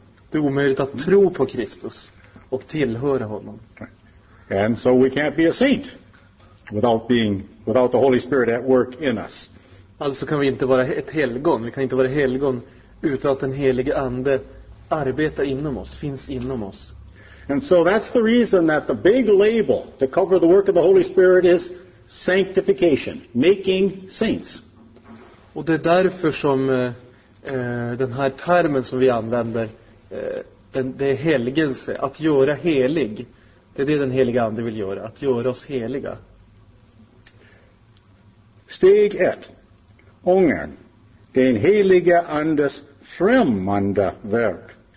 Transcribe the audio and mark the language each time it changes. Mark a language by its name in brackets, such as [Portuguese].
[Swedish] Det är omöjligt att tro på Kristus och tillhöra honom. [English] And so we can't be a saint without the Holy Spirit at work in us. [Swedish] Alltså kan vi inte vara ett helgon. Vi kan inte vara helgon utan att den helige ande arbetar inom oss, finns inom oss. [English] And so that's the reason that the big label to cover the work of the Holy Spirit is sanctification, making saints. [Swedish] Och det är därför som den här termen som vi använder, det är helgelse, att göra helig. Det är det den heliga ande vill göra, att göra oss heliga. Steg 1. Ångern, den heliga andes främmande verk.